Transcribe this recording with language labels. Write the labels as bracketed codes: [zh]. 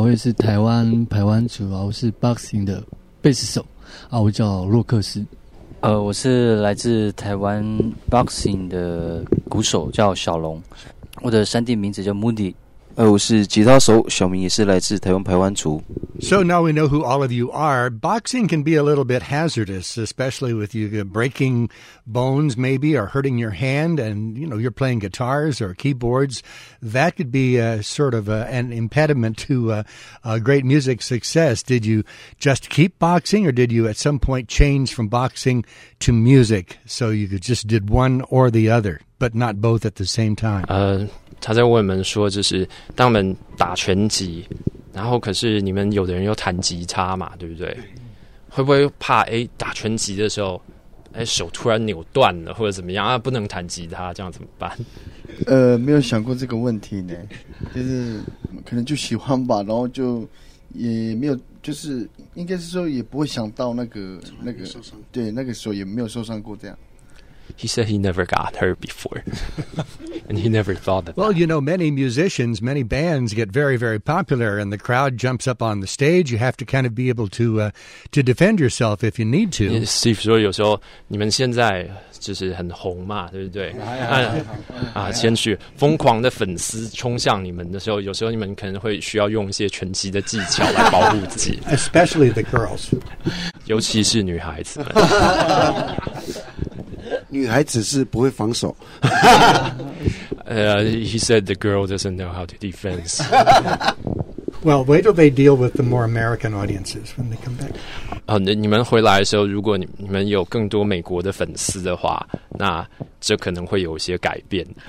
[zh] 我也是台湾族，然后是 Boxing 的贝斯手，我叫洛克斯。我是来自台湾 Boxing 的鼓手，叫小龙。我的三弟名字叫 Moody。我是吉他手，小明也是来自台湾排湾族。 [en] So now we know who all of you are. Boxing can be a little bit hazardous, especially with you breaking bones maybe or hurting your hand, and you know, you're playing guitars or keyboards. That could be an impediment to great music success. Did you just keep boxing, or did you at some point change from boxing to music so you could just did one or the other, but not both at the same time? [zh] 他在问我们说，就是当我们打拳击，然后可是你们有的人又弹吉他嘛，对不对？会不会怕打拳击的时候手突然扭断了或者怎么样，不能弹吉他，这样怎么办？没有想过这个问题呢，就是可能就喜欢吧，然后就也没有，就是应该是说也不会想到那个受伤，对，那个时候也没有受伤过这样。 [en] He said he never got hurt before, and he never thought of that. Well, you know, many musicians, many bands get very, very popular, and the crowd jumps up on the stage. You have to kind of be able to defend yourself if you need to. [zh] Steve 说有时候你们现在就是很红嘛，对不对？谦虚，疯狂的粉丝冲向你们的时候，有时候你们可能会需要用一些拳击的技巧来保护自己。 [en] Especially the girls. [zh] 尤其是女孩子们。女孩子是不会防守。 [en] He said the girl doesn't know how to defend. Well, where do they deal with the more American audiences when they come back? [zh] 你们回来的时候，如果你们有更多美国的粉丝的话，那这可能会有一些改变。